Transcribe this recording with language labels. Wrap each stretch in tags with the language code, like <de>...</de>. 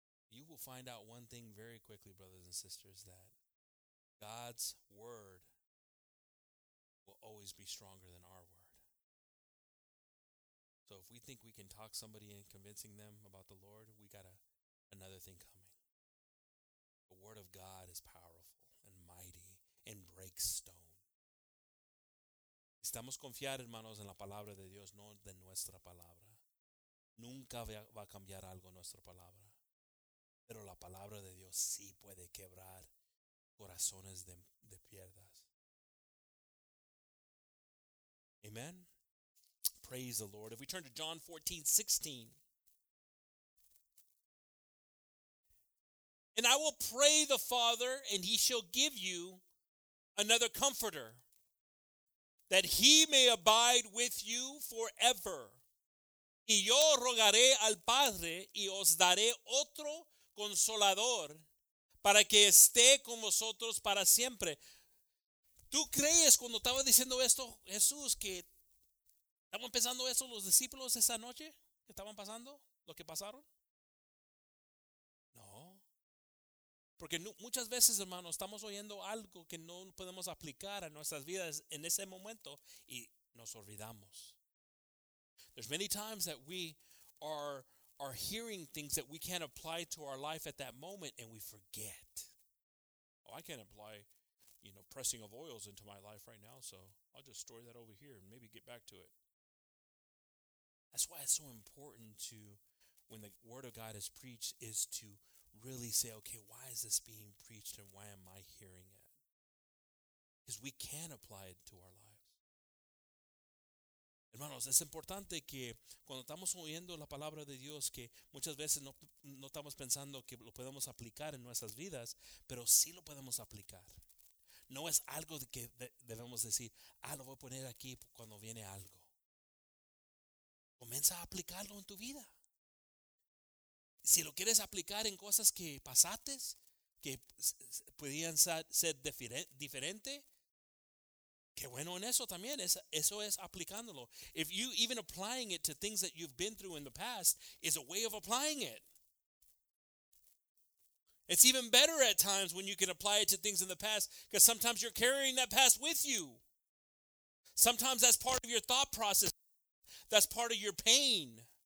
<en>You will find out one thing very quickly, brothers and sisters, that God's word will always be stronger than our word. So if we think we can talk somebody in convincing them about the Lord, we got another thing coming. The word of God is powerful and mighty and breaks stone.</en> <es>Estamos confiar, hermanos, en la palabra de Dios, no de nuestra palabra. Nunca va a cambiar algo nuestra palabra. Pero la palabra de Dios sí puede quebrar corazones de piedras.</es> <en>Amen. Praise the Lord. If we turn to John 14:16. And I will pray the Father, and he shall give you another comforter, that he may abide with you forever. Y yo rogaré al Padre, y os daré otro consolador, para que esté con vosotros para siempre.</en> <es>¿Tú crees cuando estaba diciendo esto, Jesús, que estaban pensando eso los discípulos esa noche? ¿Qué estaban pasando? ¿Lo que pasaron? No. Porque muchas veces, hermanos, estamos oyendo algo que no podemos aplicar a nuestras vidas en ese momento y nos olvidamos.</es> <en>There's many times that we are hearing things that we can't apply to our life at that moment and we forget. Oh, I can't apply, you know, pressing of oils into my life right now, so I'll just store that over here and maybe get back to it. That's why it's so important to, when the word of God is preached, is to really say, okay, why is this being preached and why am I hearing it? Because we can apply it to our lives.</en> <es>Hermanos, es importante que cuando estamos oyendo la palabra de Dios, que muchas veces no estamos pensando que lo podemos aplicar en nuestras vidas, pero sí lo podemos aplicar. No es algo que debemos decir, ah, lo voy a poner aquí cuando viene algo. Comienza a aplicarlo en tu vida. Si lo quieres aplicar en cosas que pasaste, que podían ser diferente, qué bueno en eso también, eso es aplicándolo.</es> <en>If you even applying it to things that you've been through in the past is a way of applying it. It's even better at times when you can apply it to things in the past, because sometimes you're carrying that past with you. Sometimes that's part of your thought process. That's part of your pain.</en>